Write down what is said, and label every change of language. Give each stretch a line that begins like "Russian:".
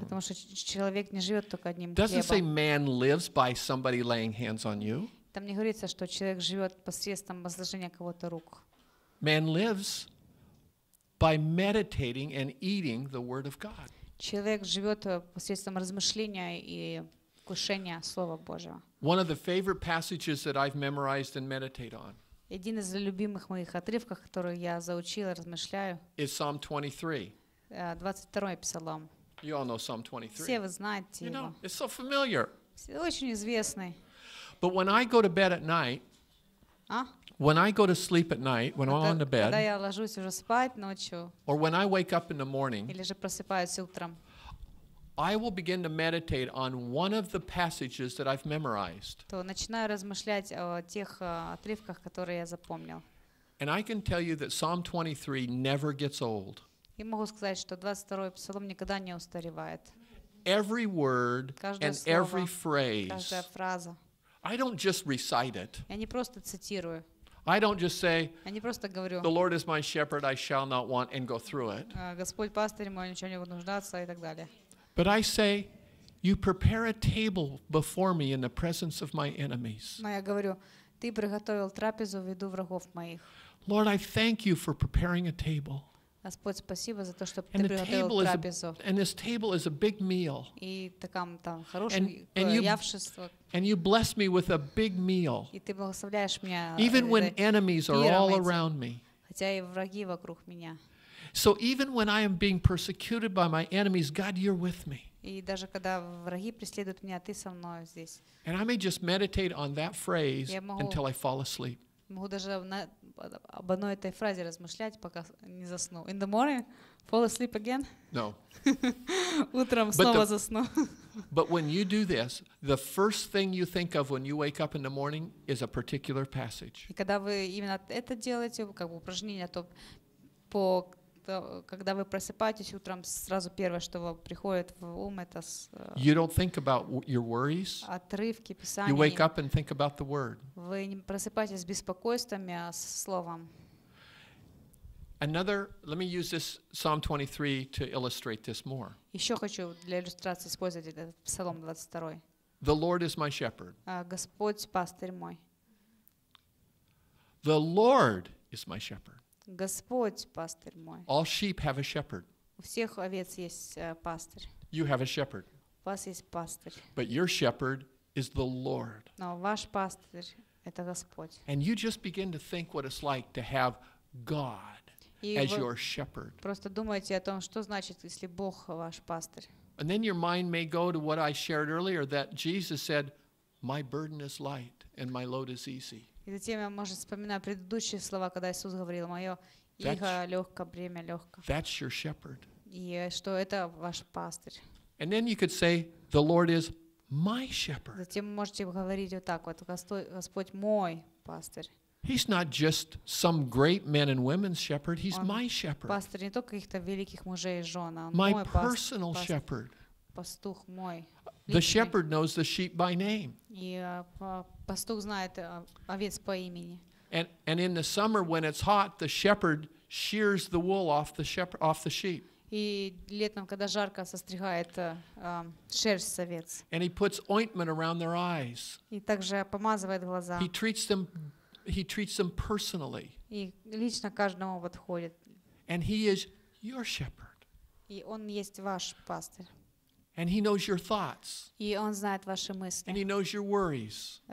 Russian: Потому что человек не живет только одним хлебом.
English: Doesn't say man lives by somebody laying hands on you.
Russian: Там не говорится, что человек живет посредством возложения кого-то рук.
English: Man lives by meditating and eating the word of God.
Russian: Человек живет посредством размышления и кушения слова Божьего.
English: One of the favorite passages that I've memorized and meditate on.
Russian: Один из любимых моих отрывков, который я заучила, размышляю.
English: Is Psalm 23.
Russian: 22-й псалом.
English: You all know Psalm 23.
Russian: Все вы знаете его.
English: You know, it's so familiar.
Russian: Все очень известный.
English: But when I go to bed at night, when I go to sleep at night, when I'm on the bed,
Russian: когда я ложусь уже спать ночью,
English: or when I wake up in the morning,
Russian: или же просыпаюсь утром.
English: I will begin to meditate on one of the passages that I've memorized.
Russian: То начинаю размышлять о тех отрывках, которые я запомнил.
English: And I can tell you that Psalm 23 never gets old.
Russian: И могу сказать, что 22-й псалом никогда не устаревает.
English: Every word and every phrase.
Russian: Каждая фраза.
English: I don't just recite it.
Russian: Я не просто цитирую.
English: I don't just say,
Russian: говорю,
English: the Lord is my shepherd, I shall not want, and go through it.
Russian: Господь пастырь мой, ничего не буду нуждаться и так далее.
English: But I say, you prepare a table before me in the presence of my enemies.
Russian: Но я говорю, ты приготовил трапезу в виду врагов моих.
English: Lord, I thank you for preparing a table.
Russian: Господь, спасибо за то, что ты приготовил трапезу.
English: And this table is a big meal.
Russian: И там хорошее явшество.
English: And you bless me with a big meal.
Russian: И ты благословляешь меня.
English: Even when enemies are all around me.
Russian: Хотя и враги вокруг меня.
English: So even when I am being persecuted by my enemies, God, you're with me.
Russian: И даже когда враги преследуют меня, ты со мной здесь.
English: And I may just meditate on that phrase until I fall asleep.
Russian: Могу даже об одной этой фразе размышлять, пока не засну.
English: In the morning, fall asleep again? No.
Russian: Утром снова засну.
English: But when you do this, the first thing you think of when you wake up in the morning is a particular passage.
Russian: И когда вы именно это делаете, как бы упражнение, то по то, когда вы просыпаетесь утром, сразу первое, что вам приходит в ум, это
English: you don't think about your worries.
Russian: Отрывки писания.
English: You wake up and think about the word.
Russian: Вы не просыпаетесь с беспокойствами, а с словом.
English: Another, let me use this Psalm 23 to illustrate this more.
Russian: Еще хочу для иллюстрации использовать этот Псалом 22.
English: The Lord is my shepherd.
Russian: Господь пастырь мой.
English: The Lord is my shepherd.
Russian: Господь пастырь мой.
English: All sheep have a shepherd.
Russian: У всех овец есть пастырь.
English: You have a shepherd.
Russian: У вас есть пастырь.
English: But your shepherd is the Lord.
Russian: Но ваш пастырь — это Господь.
English: And you just begin to think what it's like to have God as your shepherd.
Russian: Просто думайте о том, что значит, если Бог ваш пастырь.
English: And then your mind may go to what I shared earlier, that Jesus said, "My burden is light and my load is easy."
Russian: И затем я, может, вспоминаю предыдущие слова, когда Иисус говорил: "Мое иго легко, бремя легко."
English: That's your shepherd.
Russian: И что это ваш пастырь.
English: And then you could say, "The Lord is my shepherd."
Russian: Затем можете говорить вот так вот: Господь мой пастырь.
English: He's not just some great men and women's shepherd. He's
Russian: он
English: my shepherd.
Russian: Пастор не только каких-то великих мужей и жен, а он
English: my
Russian: мой
English: personal
Russian: пастырь.
English: Shepherd.
Russian: Пастух мой.
English: The shepherd knows the sheep by name.
Russian: И пастух знает овец по имени.
English: And in the summer when it's hot, the shepherd shears the wool off the sheep.
Russian: И летом, когда жарко, состригает шерсть с овец.
English: And he puts ointment around their eyes.
Russian: И также помазывает глаза.
English: He treats them personally.
Russian: И лично каждому подходит.
English: And he is your shepherd.
Russian: И он есть ваш пастырь.
English: And he knows your thoughts.
Russian: И он знает ваши мысли.
English: And he knows your worries.